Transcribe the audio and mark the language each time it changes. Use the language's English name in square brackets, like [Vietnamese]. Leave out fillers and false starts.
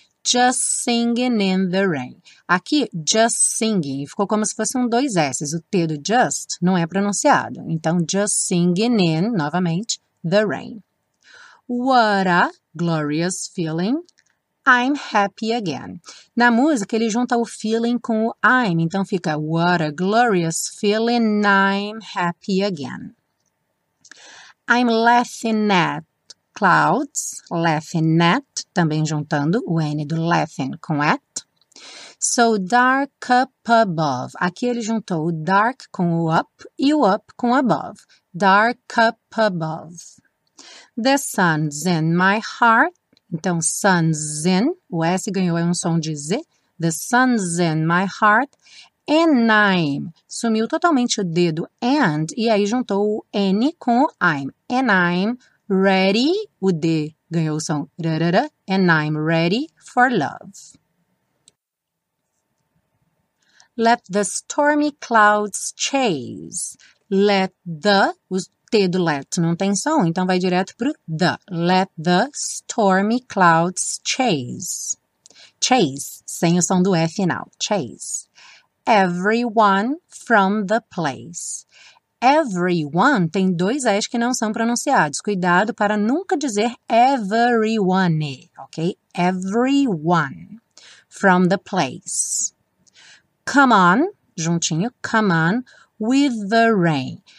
[English] Just singing in the rain. [Portuguese] Aqui, just singing, ficou como se fossem dois S's. O T do just não é pronunciado. [English] Então, just singing in, novamente, the rain. What a glorious feeling. I'm happy again. [Portuguese] Na música, ele junta o feeling com o I'm. Então, fica [English] what a glorious feeling, I'm happy again. I'm laughing at clouds. [Portuguese] Laughing at, também juntando o N do laughing com at. [English] So dark up above. [Portuguese] Aqui, ele juntou o dark com o up e o up com above. [English] Dark up above. The sun's in my heart. [Portuguese] Então, sun's in, o S ganhou um som de Z. [English] The sun's in my heart. [Portuguese] And I'm, sumiu totalmente o dedo and, e aí juntou o N com o I'm. [English] And I'm ready, [Portuguese] o D ganhou o som rarara. [English] And I'm ready for love. Let the stormy clouds chase. [Portuguese] Let the, os T do let não tem som, então vai direto pro the. [English] Let the stormy clouds chase. [Portuguese] Chase, sem o som do E final. Chase. [English] Everyone from the place. [Portuguese] Everyone tem dois S que não são pronunciados. Cuidado para nunca dizer everyone, ok? [English] Everyone from the place. Come on, juntinho, come on, with the rain.